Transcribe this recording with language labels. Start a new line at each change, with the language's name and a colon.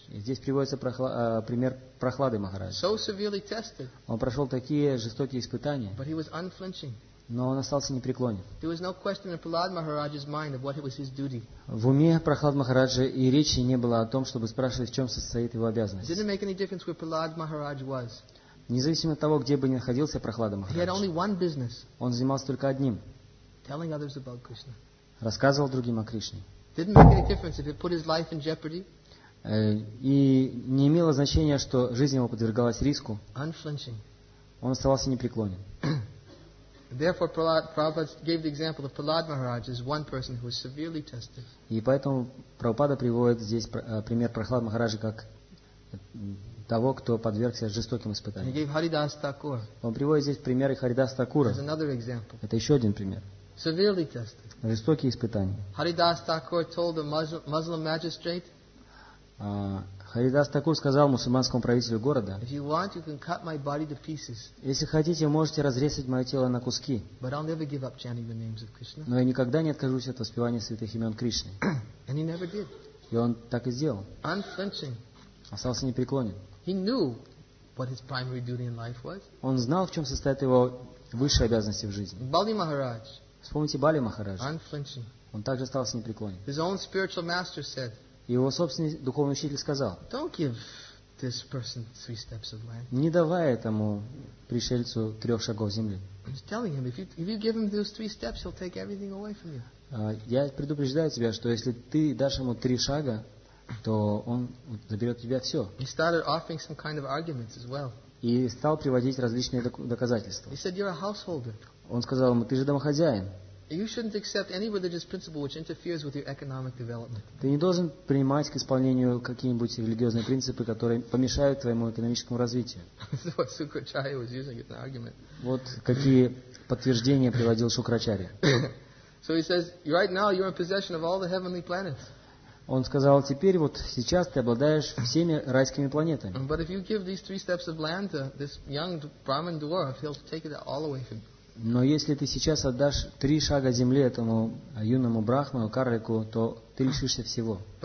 Russian: И здесь приводится пример Прохлады Махараджа.
English: So severely tested,
Russian: он прошел такие жестокие испытания,
English: but he was unflinching.
Russian: Но он остался непреклонен.
English: There was no question in Prahlad Maharaj's mind of what was his duty.
Russian: В уме Прохлад Махараджа и речи не было о том, чтобы спрашивать, в чем состоит его обязанность.
English: It didn't make any difference where Prahlad Maharaj was.
Russian: Независимо от того, где бы ни находился Прохлад Махарадж,
English: he had only one business.
Russian: Он занимался только одним.
English: Telling others about Krishna.
Russian: Рассказывал другим о Кришне.
English: Didn't make any difference if it put his life in jeopardy.
Russian: И не имело значения, что жизнь его подвергалась риску.
English: Unflinching.
Russian: Он оставался непреклонен.
English: Therefore, Prabhupada gave the example of Prahlad Maharaj as one person who was severely tested.
Russian: И поэтому Прабхупада приводит здесь пример Прохлад Махараджа как того, кто подвергся жестоким испытаниям.
English: He gave Haridas Thakur.
Russian: Он приводит здесь пример Харидаса Такура.
English: There's another example.
Russian: Это еще один пример.
English: Severely tested.
Russian: Жестокие испытания.
English: Haridas Thakur told the Muslim magistrate.
Russian: Харидас Такур сказал мусульманскому правителю города:
English: If you want, you can cut my body to pieces.
Russian: Если хотите, можете разрезать мое тело на куски.
English: But I'll never give up chanting the names of Krishna.
Russian: Но я никогда не откажусь от воспевания святых имен Кришны.
English: And he never did.
Russian: И он так и сделал.
English: Unflinching.
Russian: Остался непреклонен.
English: He knew what his primary duty in life was.
Russian: Он знал, в чем состоят его высшие обязанности в жизни. Бали Махарадж. Вспомните Бали Махараджа.
English: Unflinching.
Russian: Он также остался непреклонен.
English: His own spiritual master said,
Russian: его собственный духовный учитель сказал:
English: Don't give this person three steps of land.
Russian: Не давай этому пришельцу трех шагов земли.
English: He's telling him, if you give him those three steps, he'll take everything away from you.
Russian: Я предупреждаю тебя, что если ты дашь ему три шага, то он заберет у тебя все.
English: He started offering some kind of arguments as well.
Russian: И стал приводить различные доказательства.
English: He said, You're a householder.
Russian: Он сказал ему: Ты же домохозяин.
English: You shouldn't accept any religious principle which interferes with your economic development.
Russian: Ты не должен принимать к исполнению какие-нибудь религиозные принципы, которые помешают твоему экономическому развитию.
English: That's what Sukracharya was using as an argument.
Russian: Вот какие подтверждения приводил Шукрачарья.
English: So he says, right now you're in possession of all the heavenly planets.
Russian: Он сказал: теперь вот сейчас ты обладаешь всеми райскими планетами.
English: But if you give these three steps of land to this young Brahmin dwarf, he'll take it all away from you.
Russian: Но если ты сейчас отдашь три шага земли этому юному брахману, карлику, то ты лишишься всего.